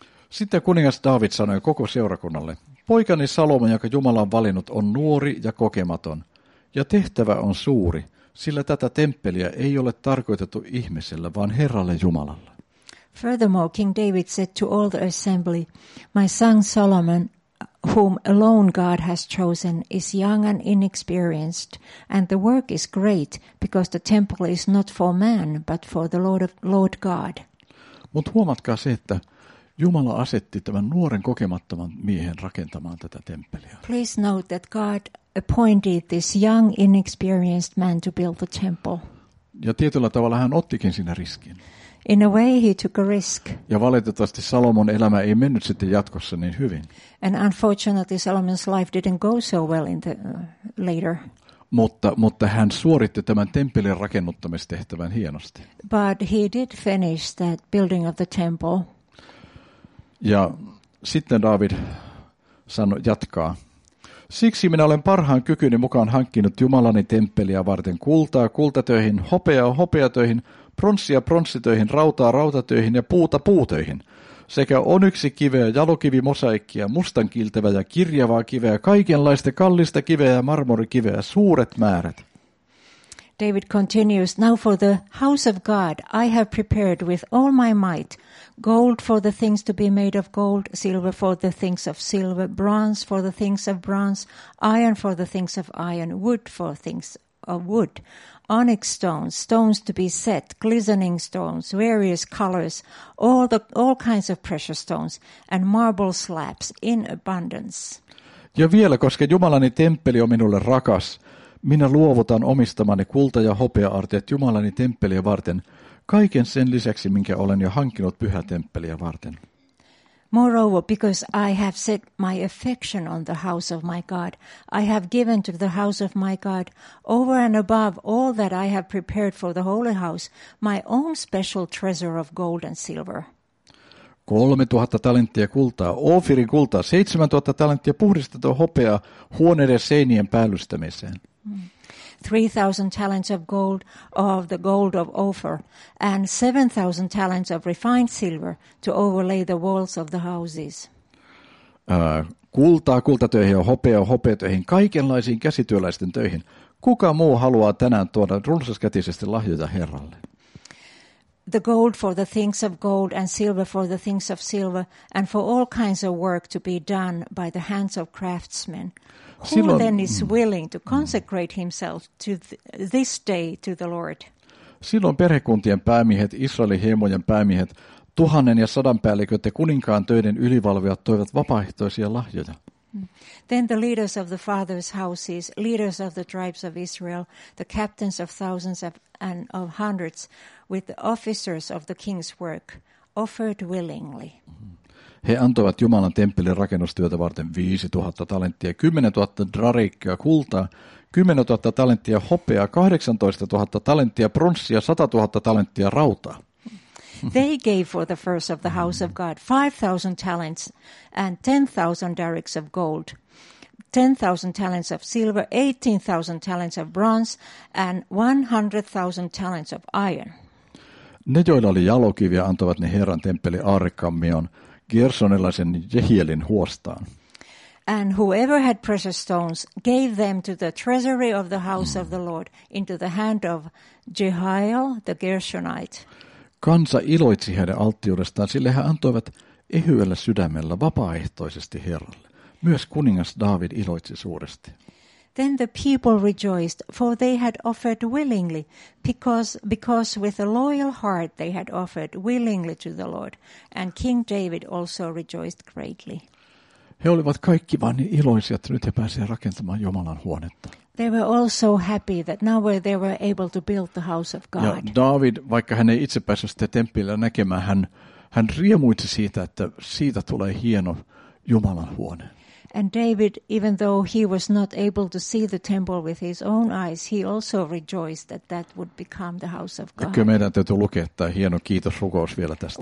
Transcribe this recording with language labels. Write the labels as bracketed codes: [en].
[fi] Sitten kuningas David sanoi koko seurakunnalle: poikani Salomo, jonka Jumala on valinnut, on nuori ja kokematon, ja tehtävä on suuri, sillä tätä temppeliä ei ole tarkoitettu ihmiselle, vaan Herralle Jumalalle. [en] Furthermore, King David said to all the assembly, my son Solomon, whom alone God has chosen, is young and inexperienced, and the work is great, because the temple is not for man, but for the Lord God. [fi] Mutta huomatkaa se, että Jumala asetti tämän nuoren kokemattoman miehen rakentamaan tätä temppeliä. [en] Please note that God appointed this young inexperienced man to build the temple. [fi] Ja tietyllä tavalla hän ottikin siinä riskin. [en] In a way he took a risk. [fi] Ja valitettavasti Salomon elämä ei mennyt sitten jatkossa niin hyvin. [en] And unfortunately Solomon's life didn't go so well in the later. [fi] Mutta hän suoritti tämän temppelin rakennuttamistehtävän hienosti. [en] But he did finish that building of the temple. [fi] Ja sitten David jatkaa. Siksi minä olen parhaan kykyni mukaan hankkinut Jumalani temppeliä varten kultaa kultatöihin, hopeaa hopeatöihin, pronssia pronssitöihin, rautaa rautatöihin ja puuta puutöihin. Sekä on yksi kiveä, jalokivi, mosaikkia, mustan kiiltävä ja kirjavaa kiveä, kaikenlaista kallista kiveä ja marmorikiveä, suuret määrät. [en] David continues, now for the house of God, I have prepared with all my might gold for the things to be made of gold, silver for the things of silver, bronze for the things of bronze, iron for the things of iron, wood for things of wood, onyx stones, stones to be set, glistening stones, various colors, all kinds of precious stones, and marble slabs in abundance. [fi] Ja vielä, koska Jumalani temppeli on minulle rakas, minä luovutan omistamani kulta- ja hopea-aarteet Jumalani temppeliä varten, kaiken sen lisäksi, minkä olen jo hankkinut pyhä temppeliä varten. [en] Moreover, because I have set my affection on the house of my God, I have given to the house of my God, over and above all that I have prepared for the holy house, my own special treasure of gold and silver. [fi] 3000 talenttia kultaa, Ofirin kultaa, 7000 talenttia puhdistettua hopeaa huoneiden seinien päällystämiseen. [en] 3,000 talents of gold of the gold of Ophir and 7,000 talents of refined silver to overlay the walls of the houses. [fi] Kultaa kultatöihin ja hopeaa hopeatöihin, kaikenlaisiin käsityöläisten töihin. Kuka muu haluaa tänään tuoda runsaskätisesti lahjoja Herralle? [en] The gold for the things of gold and silver for the things of silver and for all kinds of work to be done by the hands of craftsmen. Who then is willing to consecrate himself to this day to the Lord? [fi] Silloin perhekuntien päämiehet, Israelin heimojen päämiehet, tuhannen ja sadan päälliköt ja kuninkaan töiden ylivalvojat toivat vapaaehtoisia lahjoja. [en] Then the leaders of the fathers' houses, leaders of the tribes of Israel, the captains of thousands and of hundreds, with the officers of the king's work, offered willingly. [fi] He antoivat Jumalan temppelin rakennustyötä varten 5000 talenttia, 10000 drarikkaa kultaa, 10000 talenttia hopeaa, 18000 talenttia pronssia, 100000 talenttia rautaa. [en] They gave for the first of the house of God 5000 talents and 10000 drarics of gold, 10000 talents of silver, 18000 talents of bronze and 100000 talents of iron. [fi] Ne, joilla oli jalokiviä, antoivat ne Herran temppelin aarrekammion, Gersonilaisen Jehielin huostaan. [en] And whoever had precious stones gave them to the treasury of the house of the Lord into the hand of Jehiel the Gershonite. [fi] Kansa iloitsi heidän alttiudestaan, sillä he antoivat ehyellä sydämellä vapaaehtoisesti Herralle. Myös kuningas David iloitsi suuresti. [en] Then the people rejoiced, for they had offered willingly, because with a loyal heart they had offered willingly to the Lord, and King David also rejoiced greatly. [fi] He olivat kaikki vain niin iloisia, että nyt he pääsivät rakentamaan Jumalan huonetta. [en] They were all so happy that now they were able to build the house of God. [fi] Ja David, vaikka hän ei itse päässyt sitä temppeliä näkemään, hän riemuitsi siitä, että siitä tulee hieno Jumalan huone. [en] And David, even though he was not able to see the temple with his own eyes, he also rejoiced that that would become the house of God. [fi] Kyllä meidän täytyy lukea tämä hieno kiitosrukous vielä tästä.